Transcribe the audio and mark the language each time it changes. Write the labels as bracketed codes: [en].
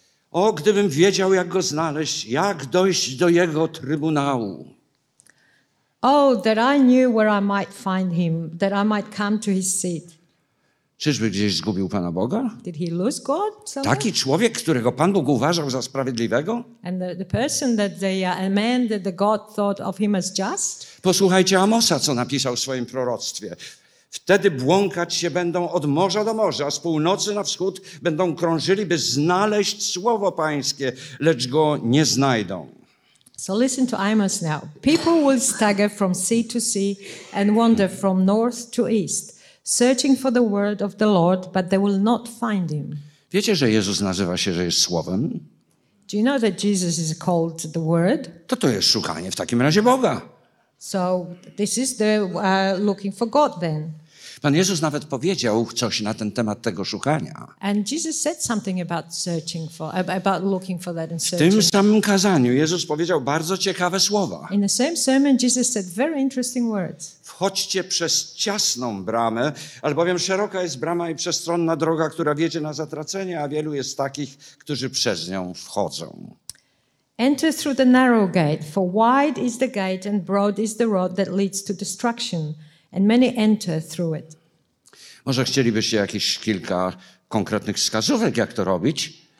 [pl] O, gdybym wiedział, jak go znaleźć, jak dojść do jego trybunału. [en] Oh, that I knew where I might find him, that I might come to his seat. [pl] Czyżby gdzieś zgubił Pana Boga? [en] Did he lose God somewhere? [pl] Taki człowiek, którego Pan Bóg uważał za sprawiedliwego? [en] And the person that a man that the God thought of him as just? [pl] Posłuchajcie Amosa, co napisał w swoim proroctwie. Wtedy błąkać się będą od morza do morza, z północy na wschód będą krążyli, by znaleźć słowo Pańskie, lecz go nie znajdą. [en] So listen to Amos now. People will stagger from sea to sea and wander from north to east, searching for the word of the Lord, but they will not find him. [pl] Wiecie, że Jezus nazywa się, że jest słowem? [en] Do you know that Jesus is called the word? [pl] To jest szukanie w takim razie Boga. [en] So this is the looking for God then. [pl] Pan Jezus nawet powiedział coś na ten temat tego szukania. [en] And Jesus said something about searching for, about looking for that and searching. [pl] W tym samym kazaniu Jezus powiedział bardzo ciekawe słowa. [en] In the same sermon Jesus said very interesting words. [pl] Wchodźcie przez ciasną bramę, albowiem szeroka jest brama i przestronna droga, która wiedzie na zatracenie, a wielu jest takich, którzy przez nią wchodzą. [en] Enter through the narrow gate, for wide is the gate and broad is the road that leads to destruction, and many enter through it. [pl] Może chcielibyście jakieś kilka konkretnych wskazówek, jak to robić?